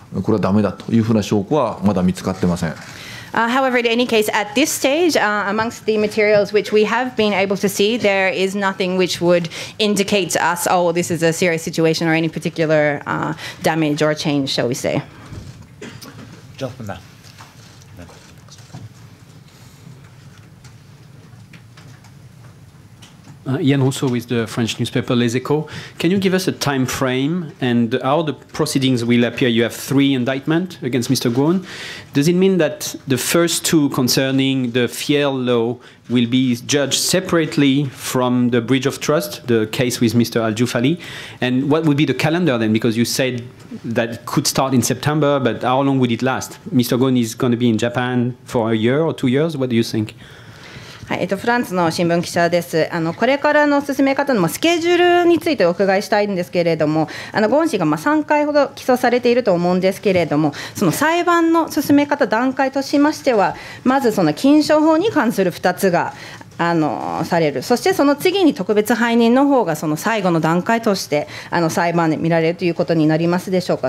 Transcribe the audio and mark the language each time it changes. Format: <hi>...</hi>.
<ja>これはダメだというふうな証拠はまだ見つかってません。</ja> <en>However, in any case, at this stage, amongst the materials which we have been able to see, there is nothing which would indicate to us, oh, this is a serious situation or any particular damage or change, shall we say? Gentlemen. Yann Rousseau with the French newspaper Les Echos. Can you give us a time frame and how the proceedings will appear? You have three indictments against Mr. Ghosn. Does it mean that the first two concerning the Fiel Law will be judged separately from the breach of trust, the case with Mr. Al-Jufali? And what would be the calendar then? Because you said that could start in September, but how long would it last? Mr. Ghosn is going to be in Japan for a year or 2 years. What do you think?</en> <ja>はい、フランスの新聞記者です。これからの進め方のスケジュールについてお伺いしたいんですけれども、ゴーン氏が3回ほど起訴されていると思うんですけれども、その裁判の進め方段階としましては、まずその禁商法に関する2つがされる、そしてその次に特別背任の方がその最後の段階として裁判で見られるということになりますでしょうか。</ja>